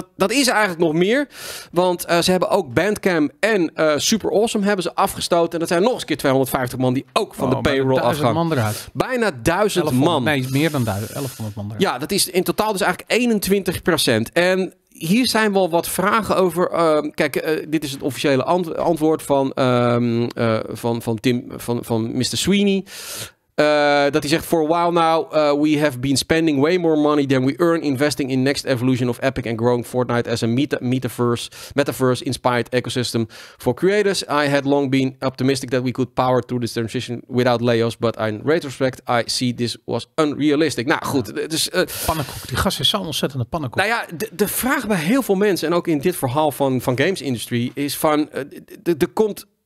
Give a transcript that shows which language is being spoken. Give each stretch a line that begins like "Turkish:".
Dutch: Dat is eigenlijk nog meer, want ze hebben ook Bandcamp en Super Awesome hebben ze afgestoten. En dat zijn nog eens keer 250 man die ook van de payroll afgaan. Man eruit. Bijna 1000 man. Nee, meer dan 1100 man eruit. Ja, dat is in totaal dus eigenlijk 21%. En hier zijn wel wat vragen over. Kijk, dit is het officiële antwoord van Mr. Sweeney. Dat hij zegt,
English: for a while now, we have been spending way more money than we earn investing in next evolution of Epic and growing Fortnite as a metaverse inspired ecosystem for creators. I had long been optimistic that we could power through this transition without layoffs, but in retrospect, I see this was unrealistic.
Dutch: Nou goed, dus... Pannenkoek, die gast is zo'n ontzettende pannenkoek. Nou ja, de vraag bij heel veel mensen, en ook in dit verhaal van games industry, is van, er komt...